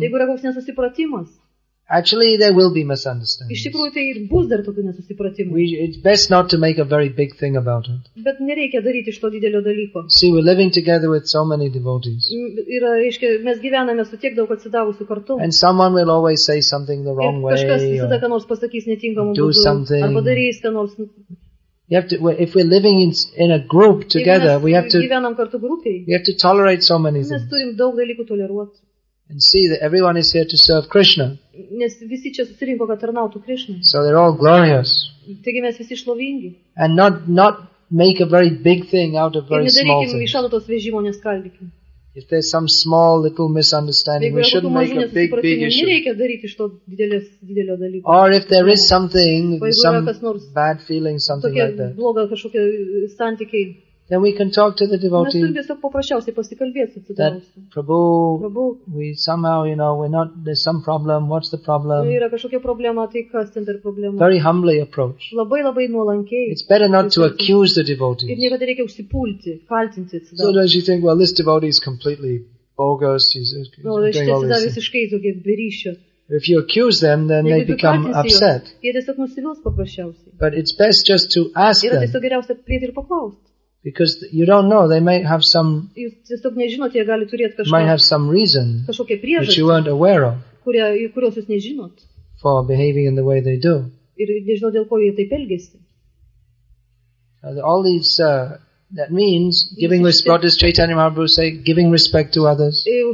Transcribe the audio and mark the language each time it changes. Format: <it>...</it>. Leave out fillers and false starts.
<lt>jeigu yra koks nesusipratimas,</lt> <en>actually there will be misunderstandings.</en> <lt>Iš tikrųjų, tai ir bus dar tokių nesusipratimų.</lt> <en>It's best not to make a very big thing about it.</en> <lt>Bet nereikia daryti iš to didelio dalyko.</lt> <en>See, we're living together with so many devotees.</en> <lt>Ir, reiškia, mes gyvename su tiek daug atsidavusių kartu.</lt> <en>And someone will always say something the wrong way.</en> <lt>Kažkas visada ką nors pasakys netinkamu būdu.</lt> <en>Do something.</en> <lt>Arba darys ką nors.</lt> <en>You have to, if we're living in a group together, we have to tolerate so many things.</en> <lt>Mes turim daug dalykų toleruoti.</lt> <en>And see that everyone is here to serve Krishna.</en> <lt>Nes visi čia susirinko, kad tarnautų Krishna.</lt> <en>So they're all glorious.</en> <lt>Taigi mes visi šlovingi.</lt> <en>And not make a very big thing out of very small things.</en> <lt>Ir nedarykim iš to vežimo neskaldykim.</lt> <en>If there's some small little misunderstanding,</en> <lt>jeigu</lt> <en>we shouldn't make a big issue.</en> <lt>Nereikia daryti to didelio dalyko.</lt> <en>Or if there is something, some bad feeling, something like that.</en> <lt>Bloga kažkokia santykiai.</lt> <en>Then we can talk to the devotee.</en> <lt>Mes tiesiog paprasčiausiai pasikalbėti su devotee.</lt> <en>That Prabhu, we somehow, you know, we're not, there's some problem, what's the problem?</en> <lt>Yra kažkokia problema, tai kas ten per problema?</lt> <en>Very humbly approach.</en> <lt>Labai labai nuolankiai.</lt> <en>It's better not to accuse the devotee.</en> <lt>Ir niekada reikia užsipulti, kaltinti.</lt> <en>So does you think, well, this devotee is completely bogus, he's doing all this. If you accuse them, then they become upset.</en> <lt>Jie tiesiog nusivils paprasčiausiai.</lt> <en>But it's best just to ask them.</en> <lt>Yra tiesiog geriausia prieiti ir paklausti.</lt> <en>Because you don't know, they might have some, might have some reason that you weren't aware of</en> <lt>kurios jūs nežinot,</lt> <en>for behaving in the way they do.</en> <lt>Ir nežinot, dėl ko jie taip elgiasi.</lt> <en>All these, that means giving respect to Chaitanya Mahaprabhu, say, giving respect to others.</en>